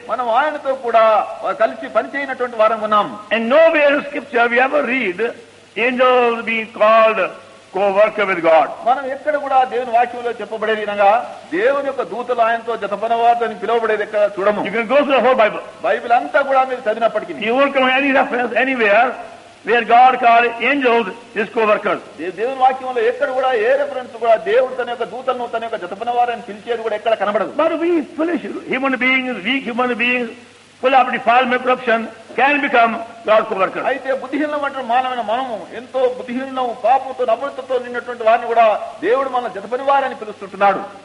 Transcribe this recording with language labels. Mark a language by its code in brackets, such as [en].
[te] మనం ఆయనతో కూడా కలిసి పనిచేయనటువంటి వారం ఉన్నాం. [en] And nowhere scripture we ever read angels be called co-worker with God. [te] మనం ఎక్కడ కూడా దేవుని వాక్యంలో చెప్పబడే విధంగా దేవుని యొక్క దూతలు ఆయనతో జతపనవారు అని పిలువబడేది ఎక్కడ చూడము. [en] You can go through the whole Bible. [te] Bible అంతా కూడా మీరు చదివినప్పటికీ, [en] you won't come any reference anywhere where God called angels his co-workers. [te] దేవుని వాక్యంలో ఎక్కడ కూడా ఏ రెఫరెన్స్ కూడా దేవుడు తన యొక్క దూతలను తన యొక్క జతపనవారు అని పిలిచేది కూడా ఎక్కడ కనబడదు. [en] But we foolish human beings, weak human beings, full of defilement, corruption, can become God's co-worker. [te] అయితే బుద్ధిహీనులు అంటే మానవుని మనము ఎంతో బుద్ధిహీనులం పాపంతో నమ్రతతో నిన్నటువంటి వారిని కూడా దేవుడు మన జతపని వారని పిలుస్తుంటున్నాడు.